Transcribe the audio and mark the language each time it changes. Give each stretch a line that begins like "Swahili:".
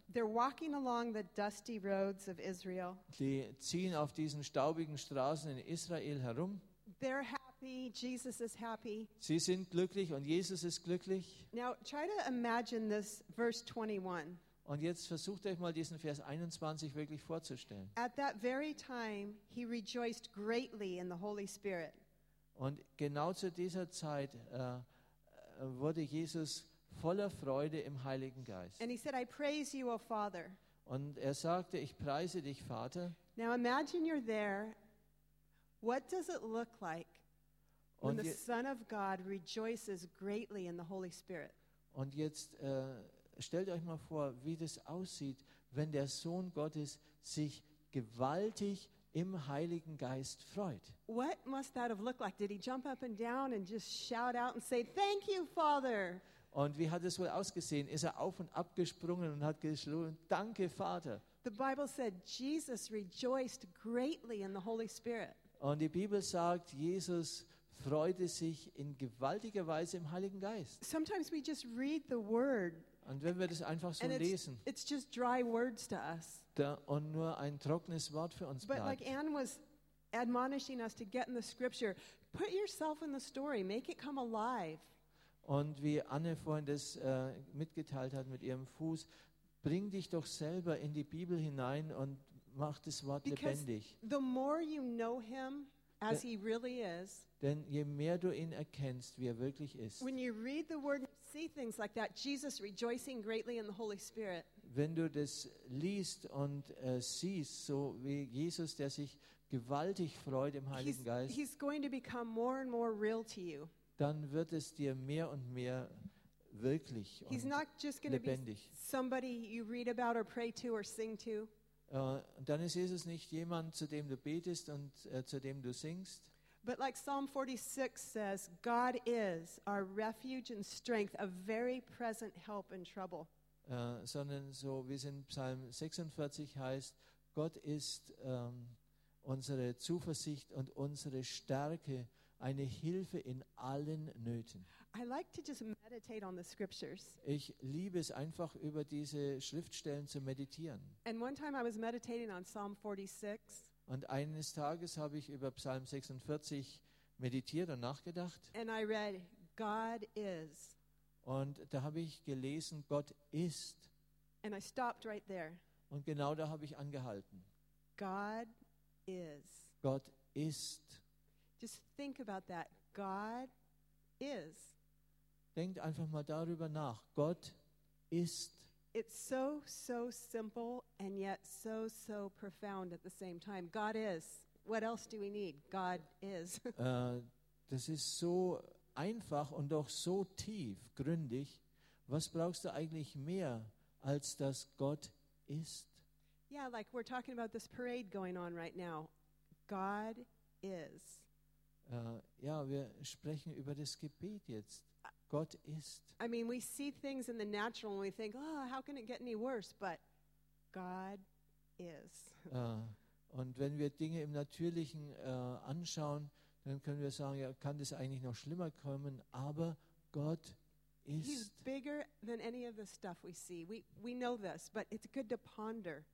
English: They're walking along the dusty roads of Israel.
German: Die ziehen auf diesen staubigen Straßen in Israel herum.
English: They're happy, Jesus is happy.
German: Sie sind glücklich und Jesus ist glücklich.
English: Now try to imagine this verse 21.
German: Und jetzt versucht euch mal diesen Vers 21 wirklich vorzustellen.
English: At that very time, he rejoiced greatly in the Holy Spirit.
German: Und genau zu dieser Zeit wurde Jesus voller Freude im Heiligen Geist.
English: And he said, I praise you, O Father.
German: Und er sagte, ich preise dich, Vater.
English: Now imagine you're there. What does it look like when the Son of God rejoices greatly in the Holy Spirit?
German: Und jetzt stellt euch mal vor, wie das aussieht, wenn der Sohn Gottes sich gewaltig im Heiligen Geist freut.
English: What must that have looked like? Did he jump up and down and just shout out and say, thank you, Father?
German: Und wie hat es wohl ausgesehen? Ist er auf und ab gesprungen und hat geschrien, danke, Vater?
English: The Bible said, Jesus rejoiced greatly in the Holy Spirit.
German: Und die Bibel sagt, Jesus freute sich in gewaltiger Weise im Heiligen Geist.
English: Sometimes we just read the word.
German: Und wenn wir das einfach so lesen,
English: it's just dry words to us.
German: Und nur ein trockenes Wort für uns
English: but
German: bleibt.
English: Like Anne was admonishing us to get in the scripture, put yourself in the story, make it come alive.
German: Und wie Anne vorhin das mitgeteilt hat mit ihrem Fuß, bring dich doch selber in die Bibel hinein und mach das Wort
English: Because
German: lebendig.
English: The more you know him, as he really is,
German: denn je mehr du ihn erkennst, wie er wirklich ist,
English: when you read the word, see things like that, Jesus rejoicing greatly in the Holy Spirit.
German: Wenn du das liest und siehst, so wie Jesus, der sich gewaltig freut im Heiligen Geist,
English: he's going to become more and more real to you.
German: Dann wird es dir mehr und mehr wirklich und lebendig.
English: He's not just going to be somebody you read about or pray to or sing to.
German: Dann ist Jesus nicht jemand, zu dem du betest und zu dem du singst.
English: But like Psalm 46 says, God is our refuge and strength, a very present help in trouble.
German: Sondern so wie es in Psalm 46 heißt, Gott ist unsere Zuversicht und unsere Stärke, eine Hilfe in allen Nöten.
English: I like to just meditate on the scriptures.
German: Ich liebe es einfach, über diese Schriftstellen zu meditieren.
English: And one time I was meditating on Psalm 46.
German: Und eines Tages habe ich über Psalm 46 meditiert und nachgedacht.
English: And I read, God is.
German: Und da habe ich gelesen, Gott ist.
English: And I stopped right there.
German: Und genau da habe ich angehalten.
English: God is.
German: Gott ist.
English: Just think about that. God is.
German: Denkt einfach mal darüber nach. Gott ist.
English: It's so, so simple and yet so, so profound at the same time. God is. What else do we need? God is.
German: Das ist so einfach und doch so tief, gründig. Was brauchst du eigentlich mehr, als dass Gott ist?
English: Yeah, like we're talking about this parade going on right now. God is.
German: Ja, wir sprechen über das Gebet jetzt. Gott ist.
English: I mean, we see things in the natural and we think, oh, how can it get any worse? But God is.
German: Und wenn wir Dinge im Natürlichen anschauen, dann können wir sagen, ja, kann das eigentlich noch schlimmer kommen? Aber Gott ist.
English: He's bigger than any of the stuff we see. We know this, but it's good to ponder.